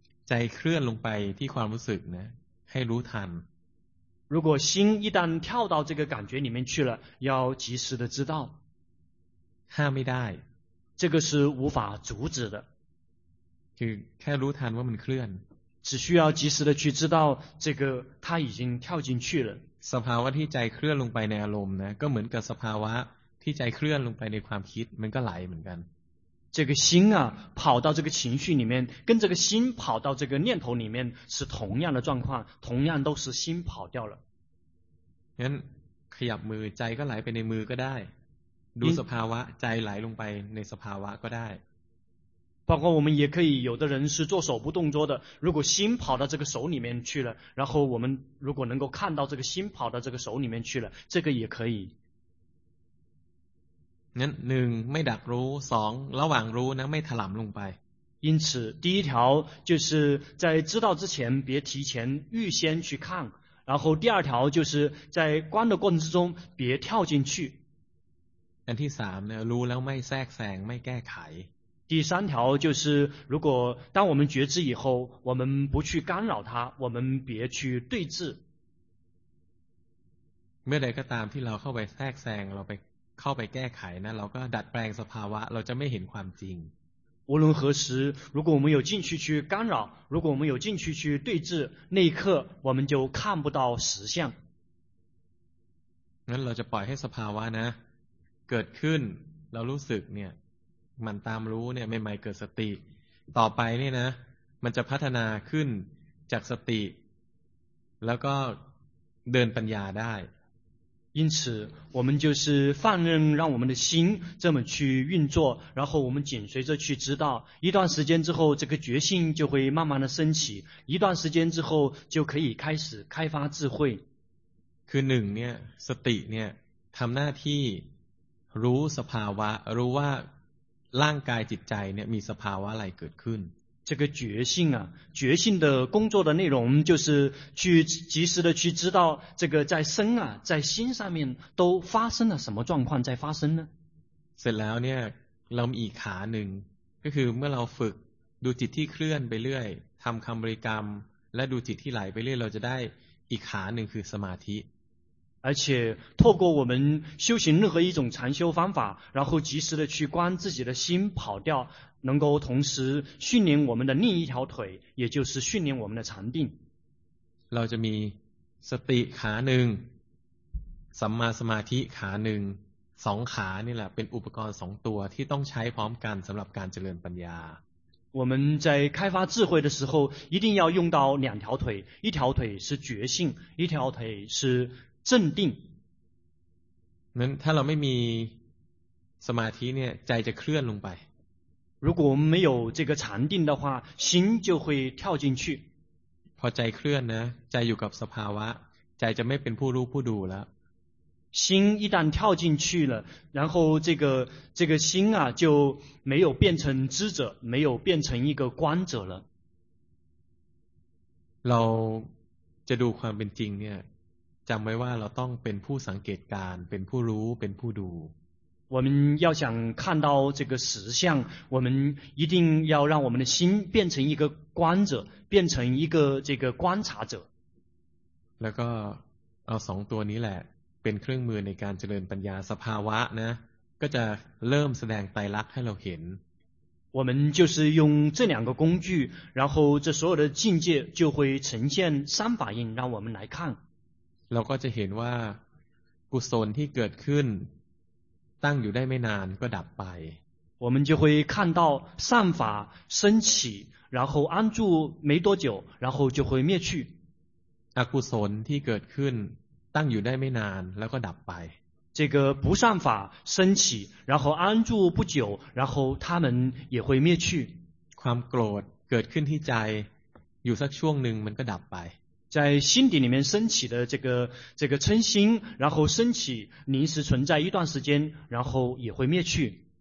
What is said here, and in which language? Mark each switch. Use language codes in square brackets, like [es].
[th] ใจเคลื่อนลงไปที่ความรู้สึกนะให้รู้ทัน [zh] 如果心一旦跳到这个感觉里面去了，要及时的知道。 [th] ห้ามไม่ได้ [zh] 这个是无法阻止的，就 [th] แค่รู้ทันว่ามันเคลื่อน， [zh] 只需要及时的去知道这个它已经跳进去了。 [th] สภาวะที่ใจเคลื่อนลงไปในอารมณ์นะก็เหมือนกับสภาวะที่ใจเคลื่อนลงไปในความคิดมันก็ไหลเหมือนกัน。 [zh] 这个心啊，跑到这个情绪里面，跟这个心跑到这个念头里面是同样的状况，同样都是心跑掉了。 [th] งั้นขยับมือใจก็ไหลไปในมือก็ได้ดูสภาวะใจไหลลงไปในสภาวะก็ได้ [zh] 包括我们也可以有的人是做手部动作的如果心跑到这个手里面去了然后我们如果能够看到这个心跑到这个手里面去了这个也可以 [th] งั้น1ไม่ดักรู้2ระหว่างรู้นะไม่ถลำลงไป [zh] 因此第一条就是在知道之前别提前预先去看然后第二条就是在观的过程之中别跳进去 [th] อันที่สามเนี่ยรู้แล้วไม่แทรกแซงไม่แก้ไข [zh] 第三条就是如果当我们觉知以后我们不去干扰它我们别去对峙 [th] เมื่อใดก็ตามที่เราเข้าไปแทรกแซงเราไปเข้าไปแก้ไขนะเราก็ดัดแปลงสภาวะเราจะไม่เห็นความจริง [zh] 无论何时如果我们有进去去干扰如果我们有进去去对峙那一刻我们就看不到实相 [th] งั้นเราจะปล่อยให้สภาวะนะเกิดขึ้นเรารู้สึกเนี่ยมันตามรู้เนี่ยใหม่ๆเกิดสติต่อไปเนี่ยนะมันจะพัฒนาขึ้นจากสติแล้วก็เดินปัญญาได้ [zh] 因此我们就是放任让我们的心这么去运作然后我们紧随着去知道一段时间之后这个觉性就会慢慢的升起一段时间之后就可以开始开发智慧 [th] คือหนึ่งเนี่ยสติเนี่ยทำหน้าที่รู้สภาวะรู้ว่าร่างกายจิตใจเนี่ยมีสภาวะอะไรเกิดขึ้น [zh] 这个觉性啊觉性的工作的内容就是去及时的去知道这个在身啊在心上面都发生了什么状况在发生呢 [th] เสร็จแล้วเนี่ยเรามีอีกขาหนึ่งก็คือเมื่อเราฝึกดูจิตที่เคลื่อนไปเรื่อยทำคำบริกรรมและดูจิตที่ไหลไปเรื่อยเราจะได้อีกขาหนึ่งคือสมาธิ [zh] 而且透过我们修行任何一种禅修方法然后及时的去观自己的心跑掉能够同时训练我们的另一条腿也就是训练我们的禅定 [th] เราจะมีสติขาหนึ่งสัมมาสมาธิขาหนึ่งสองขานี่แหละเป็นอุปกรณ์สองตัวที่ต้องใช้พร้อมกันสำหรับการเจริญปัญญา [zh] 我们在开发智慧的时候一定要用到两条腿一条腿是觉性一条腿是镇定 [th] นั้นถ้าเราไม่มีสมาธิเนี่ยใจจะเคลื่อนลงไป [zh] 如果我们没有这个禅定的话心就会跳进去 [th] พอใจเคลื่อนนะใจอยู่กับสภาวะใจจะไม่เป็นผู้รู้ผู้ดูแล้ว [zh] 心一旦跳进去了然后这个心啊就没有变成知者没有变成一个观者了 [th] เราจะดูความเป็นจริงเนี่ยจำไว้ว่าเราต้องเป็นผู้สังเกตการเป็นผู้รู้เป็นผู้ดู [zh] 我们要想看到这个实相我们一定要让我们的心变成一个观者变成一个这个观察者 [th] แล้วก็เอาสองตัวนี้แหละเป็นเครื่องมือในการเจริญปัญญาสภาวะนะก็จะเริ่มแสดงไตรลักษณ์ให้เราเห็น [zh] 我们就是用这两个工具然后这所有的境界就会呈现三法印让我们来看 [th] เราก็จะเห็นว่ากุศลที่เกิดขึ้นตั้งอยู่ได้ไม่นานก็ดับไป [zh] 我们就会看到善法升起，然后安住没多久，然后就会灭去。 [th] อกุศลที่เกิดขึ้นตั้งอยู่ได้ไม่นานแล้วก็ดับไป [zh] 这个不善法升起，然后安住不久，然后他们也会灭去。 [th] ความโกรธเกิดขึ้นที่ใจอยู่สักช่วงหนึ่งมันก็ดับไป [zh] 在心底里面升起的这个嗔心，然后升起临时存在一段时间，然后也会灭去。